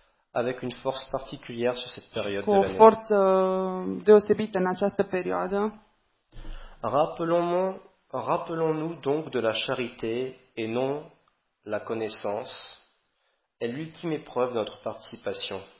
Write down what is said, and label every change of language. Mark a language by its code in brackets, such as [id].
[fr] Avec une force particulière sur cette période de l'année. [ro] Cu o forță deosebită în această perioadă. [fr] Rappelons-nous donc de la charité et non la connaissance est l'ultime épreuve de notre participation.